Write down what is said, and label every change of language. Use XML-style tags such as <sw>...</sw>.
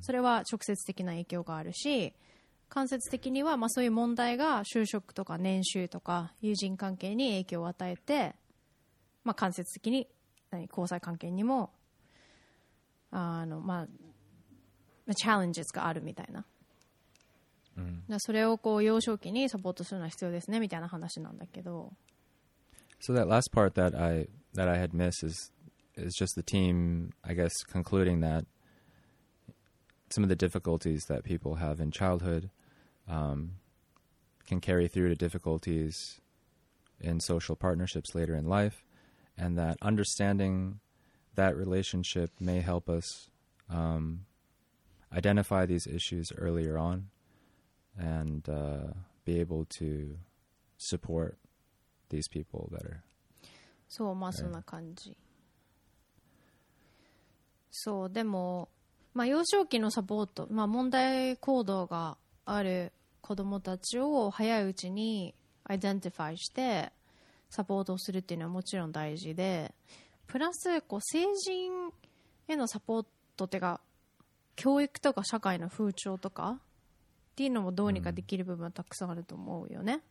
<ja>それは直接的な影響があるし、間接的にはまあそういう問題が就職とか年収とか友人関係に影響を与えて、まあ間接的に何交際関係にもまあチャレンジがあるみたいな、うん、だそれをこう幼少期にサポートするのは必要ですねみたいな話なんだけど。</ja> <en>So that last part that I had missed is just the team, I guess, concluding that some of the difficulties that people have in childhood can carry through to difficulties in social partnerships later in life, and that understanding that relationship may help us identify these issues earlier on and be able to support these people better.</en> <ja>そう、まあそんな感じ。そう、でも、まあ幼少期のサポート、まあ問題行動がある子どもたちを早いうちにアイデンティファイしてサポートをするっていうのはもちろん大事で、プラスこう成人へのサポートっていうか教育とか社会の風潮とかっていうのもどうにかできる部分はたくさんあると思うよね。</ja>